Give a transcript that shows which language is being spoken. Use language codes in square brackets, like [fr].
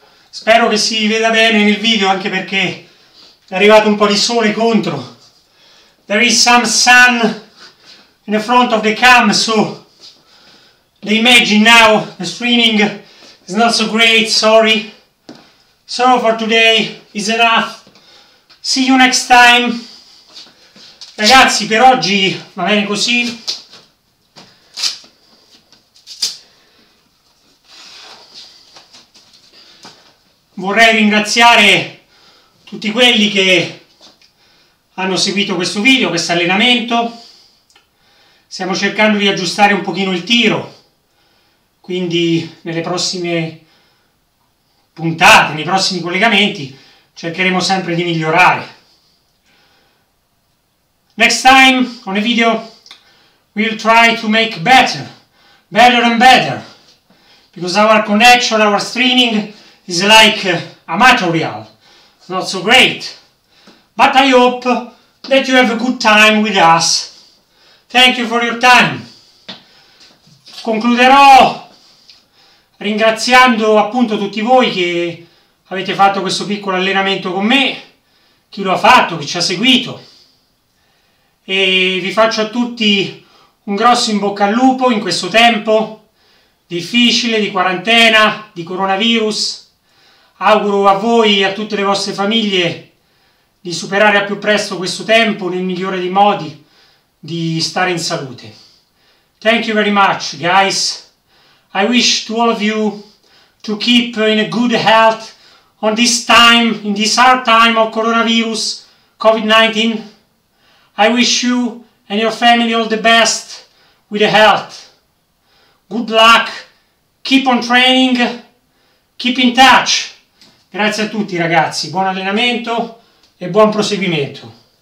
[it] Spero che si veda bene nel video, anche perché è arrivato un po' di sole contro. [en] There is some sun in the front of the cam, so the image now, the streaming is not so great, sorry. So for today is enough. See you next time. [it] Ragazzi, per oggi va bene così. Vorrei ringraziare tutti quelli che hanno seguito questo video, questo allenamento. Stiamo cercando di aggiustare un pochino il tiro, quindi nelle prossime puntate, nei prossimi collegamenti, cercheremo sempre di migliorare. [en] Next time on a video we'll try to make better, better and better, because our connection, our streaming is like amatorial, not so great, but I hope that you have a good time with us. Thank you for your time. [it] Concluderò ringraziando appunto tutti voi che avete fatto questo piccolo allenamento con me, chi lo ha fatto, chi ci ha seguito, e vi faccio a tutti un grosso in bocca al lupo in questo tempo difficile di quarantena, di coronavirus. Auguro a voi e a tutte le vostre famiglie di superare al più presto questo tempo nel migliore dei modi, di stare in salute. [en] Thank you very much, guys. I wish to all of you to keep in a good health on this time, in this hard time of coronavirus, COVID-19. I wish you and your family all the best with the health. Good luck. Keep on training. Keep in touch. [it] Grazie a tutti ragazzi, buon allenamento e buon proseguimento.